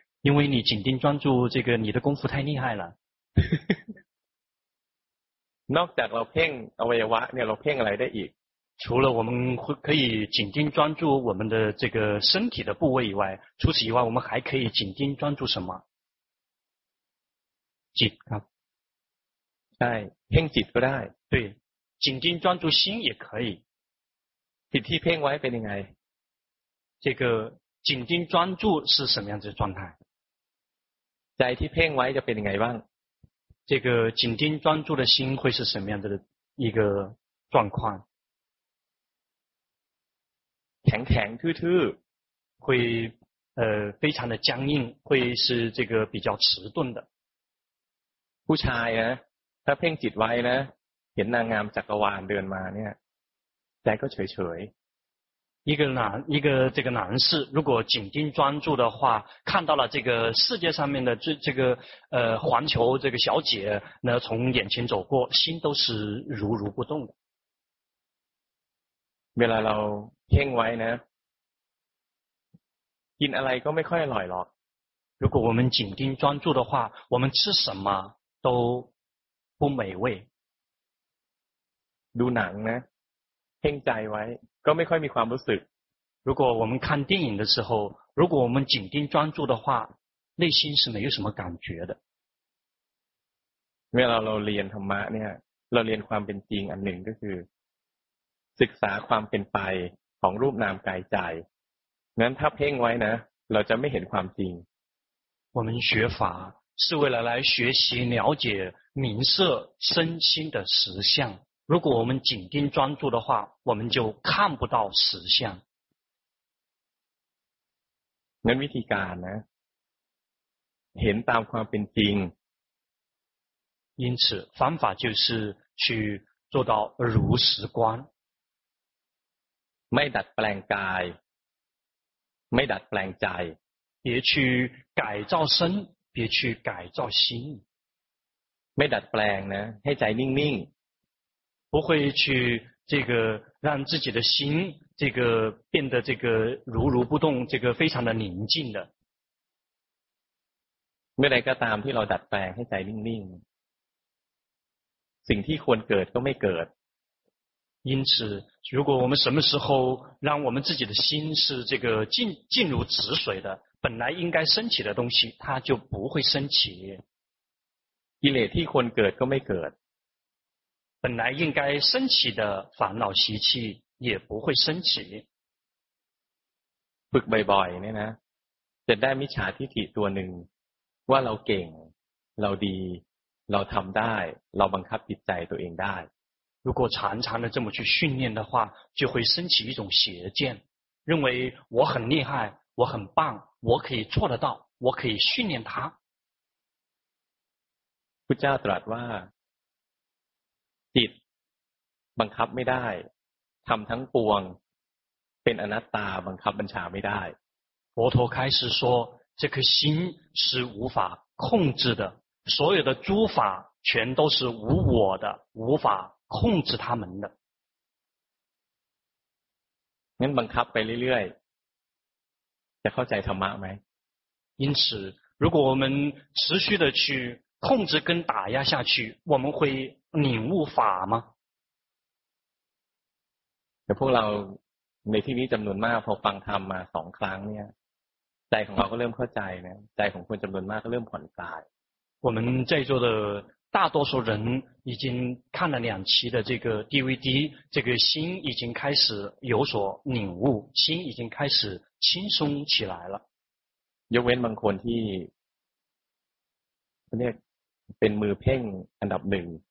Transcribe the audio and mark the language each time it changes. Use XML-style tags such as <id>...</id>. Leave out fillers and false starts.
<zh>因为你紧盯专注这个你的功夫太厉害了</zh> <th>นอกจากเราเพ่งอวัยวะเนี่ยเราเพ่งอะไรได้อีก</th> <zh>除了我们可以紧盯专注我们的这个身体的部位以外除此以外我们还可以紧盯专注什么</zh> <th>จิตครับใช่เพ่งจิตก็ได้</th> <zh>对紧盯专注心也可以</zh> <th>จิตที่เพ่งไว้เป็นยังไง</th> <zh>这个紧盯专注是什么样子的状态</zh> <th>ใจที่เพ่งไว้จะเป็นยังไงบ้าง</th> <zh>这个紧盯专注的心会是什么样子的一个状况</zh> <th>แข็งแข็งทื่อทื่อ</th> <zh>会非常的僵硬会是这个比较迟钝的</zh> <th>ผู้ชายนะถ้าเพ่งจิตไว้นะเห็นนางงามจักรวาลเดินมาเนี่ยใจก็เฉยๆ</th> <zh>一个这个男士如果紧盯专注的话看到了这个世界上面的这个环球这个小姐呢从眼前走过心都是如如不动的</zh> <th>เวลาเราเพ่งไว้นะกินอะไรก็ไม่ค่อยอร่อยหรอก</th> <zh>如果我们紧盯专注的话我们吃什么都不美味</zh> <th>ดูหนังนะเพ่งใจไว้ก็ไม่ค่อยมีความรู้สึก</th> <zh>如果我们看电影的时候如果我们紧盯专注的话内心是没有什么感觉的</zh> <th>เมื่อเราเรียนธรรมะเนี่ยเราเรียนความเป็นจริงอันหนึ่งก็คือศึกษาความเป็นไปของรูปนามกายใจงั้นถ้าเพ่งไว้นะเราจะไม่เห็นความจริง</th> <zh>我们学法是为了来学习了解名色身心的实相如果我们紧盯专注的话我们就看不到实相</zh> <th>งั้นวิธีการนะเห็นตามความเป็นจริง</th> <zh>因此方法就是去做到如实观</zh> <th>ไม่ดัดแปลงกายไม่ดัดแปลงใจ</th> <zh>别去改造身别去改造心</zh> <th>ไม่ดัดแปลงนะให้ใจนิ่งนิ่ง</th> <zh>不会去这个让自己的心这个变得这个如如不动这个非常的宁静的</zh> <th>เมื่อใดก็ตามที่เราดัดแปลงให้ใจนิ่งๆสิ่งที่ควรเกิดก็ไม่เกิด</th> <zh>因此如果我们什么时候让我们自己的心是这个静如止水的本来应该升起的东西它就不会升起</zh> <th>กิเลสที่ควรเกิดก็ไม่เกิด</th> <zh>本来应该升起的烦恼习气也不会升起</zh> <th>ฝึกบ่อยๆเนี่ยนะจะได้มิจฉาทิฏฐิตัวหนึ่งว่าเราเก่งเราดีเราทำได้เราบังคับจิตใจตัวเองได้</th> <zh>如果常常的这么去训练的话就会升起一种邪见认为我很厉害我很棒我可以做得到我可以训练他</zh> <th>พุทธเจ้าตรัสว่าจิตบังคับไม่ได้ทำทั้งปวงเป็นอนัตตาบังคับบัญชาไม่ได้</th> <zh>佛陀开始说这颗心是无法控制的所有的诸法全都是无我的无法控制他们的</zh> <th>งั้นบังคับไปเรื่อยๆจะเข้าใจธรรมะไหม</th> <zh>因此如果我们持续的去控制跟打压下去我们会领悟法吗</zh> <th>แต่พวกเราในที่นี้จำนวนมากพอฟังธรรมมาสองครั้งเนี่ยใจของเราก็เริ่มเข้าใจนะใจของคนจำนวนมากก็เริ่มผ่อนคลาย</th> <zh>我们在座的大多数人已经看了两期的这个 DVD 这个心已经开始有所领悟心已经开始轻松起来了</zh> <th>ยกเว้นบางคนที่เนี่ยเป็นมือเพ่งอันดับหนึ่ง</th>